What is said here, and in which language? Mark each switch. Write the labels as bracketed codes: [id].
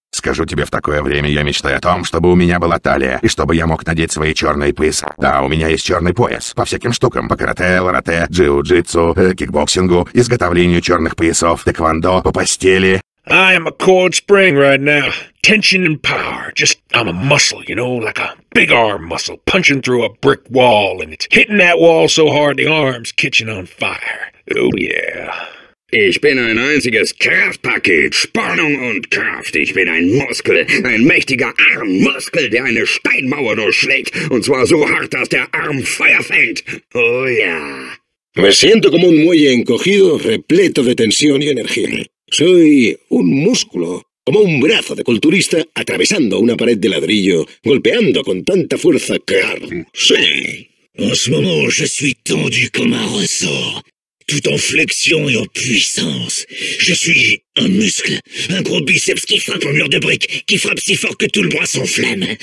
[ru] Скажу тебе, в такое время я мечтаю о том, чтобы у меня была талия, и чтобы я мог надеть свои черные пояса. Да, у меня есть черный пояс. По всяким штукам. По карате, ларате, джиу-джитсу, кикбоксингу, изготовлению черных поясов, тэквондо, по постели. [en] I am a cold spring right now. Tension and power. Just, I'm a muscle, you know, like a big arm muscle punching through a brick wall, and it's hitting that wall so hard the arm's catching on fire. Oh, yeah. [de] Ich bin ein einziges Kraftpaket, Spannung und Kraft. Ich bin ein Muskel, ein mächtiger Armmuskel, der eine Steinmauer durchschlägt. Und zwar so hart, dass der Arm Feuer fängt. Oh ja. [en] Yeah. [es] Me siento como un muelle encogido, repleto de tensión y energía. Soy un músculo, como un brazo de culturista atravesando una pared de ladrillo, golpeando con tanta fuerza que arm. Sí. [fr] En ce moment, je suis tendu comme un ressort. Tout en flexion et en puissance. Je suis un muscle, un gros biceps qui frappe un mur de briques, qui frappe si fort que tout le bras s'enflamme.